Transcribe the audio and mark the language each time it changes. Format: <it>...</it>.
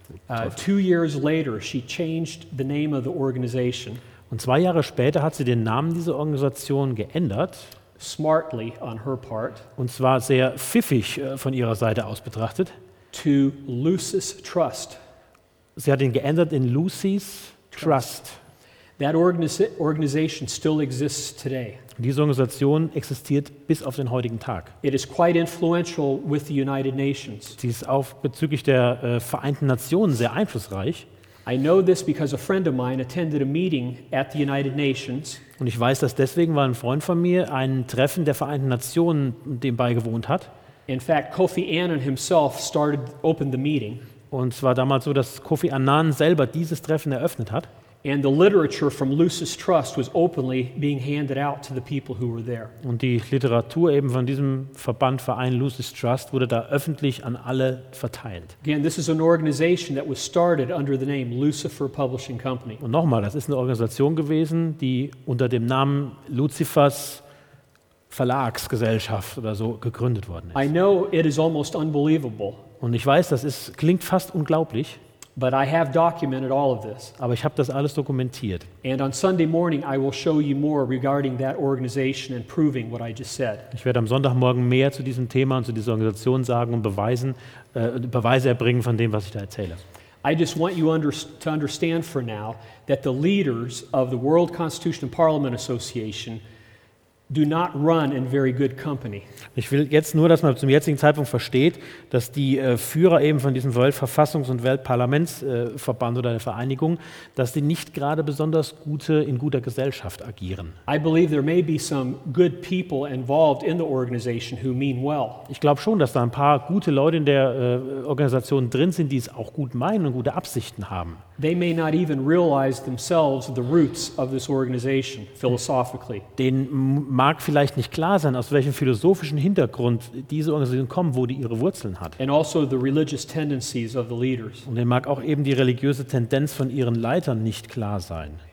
<en>2 years later, she changed the name of the organization.</en> <de>Und 2 Jahre später hat sie den Namen dieser Organisation geändert.</de> <en>Smartly on her part.</en> <de>Und zwar sehr pfiffig von ihrer Seite aus betrachtet.</de> <en>To Lucy's Trust.</en> <de>Sie hat ihn geändert in Lucy's Trust.</de> <en>That organization still exists today.</en> <de>Diese Organisation existiert bis auf den heutigen Tag.</de> <en>It is quite influential with the United Nations.</en> <de>Sie ist auch bezüglich der Vereinten Nationen sehr einflussreich.</de> <en>I know this because a friend of mine attended a meeting at the United Nations.</en> <de>Und ich weiß das deswegen, weil ein Freund von mir ein Treffen der Vereinten Nationen dem beigewohnt hat.</de> <en>In fact, Kofi Annan himself started opened the meeting.</en> <de>Und zwar damals so, dass Kofi Annan selber dieses Treffen eröffnet hat.</de> <en>And the literature from Luce's trust was openly being handed out to the people who were there.</en> <de>Und die Literatur eben von diesem Verband Verein Luce's Trust wurde da öffentlich an alle verteilt.</de> <en>Again, this is an organization that was started under the name Lucifer Publishing Company.</en> <de>Und nochmal, das ist eine Organisation gewesen, die unter dem Namen Lucifers Verlagsgesellschaft oder so gegründet worden ist.</de> <en>I know it is almost unbelievable.</en> <de>Und ich weiß, das ist, klingt fast unglaublich.</de> <en>But I have documented all of this.</en> <de>Aber ich habe das alles dokumentiert.</de> <en>And on Sunday morning I will show you more regarding that organization and proving what I just said.</en> <de>Ich werde am Sonntagmorgen mehr zu diesem Thema und zu dieser Organisation sagen und Beweise erbringen von dem, was ich da erzähle.</de> <en>I just want you to understand for now that the leaders of the World Constitution and Parliament Association do not run in very good company.</en> <de>Ich will jetzt nur, dass man zum jetzigen Zeitpunkt versteht, dass die Führer eben von diesem Weltverfassungs- und Weltparlamentsverband oder der Vereinigung, dass sie nicht gerade besonders gute in guter Gesellschaft agieren.</de> <en>I believe there may be some good people involved in the organization who mean well.</en> <de>Ich glaube schon, dass da ein paar gute Leute in der Organisation drin sind, die es auch gut meinen und gute Absichten haben.</de> <en>They may not even realize themselves the roots of this organization philosophically.</en> <de>Den mag vielleicht nicht klar sein, aus welchem philosophischen Hintergrund diese Organisation kommt, wo die ihre Wurzeln hat.</de> <en>And also the religious tendencies of the leaders.</en> <de>Und den mag auch eben die religiöse Tendenz von ihren Leitern nicht klar sein.</de>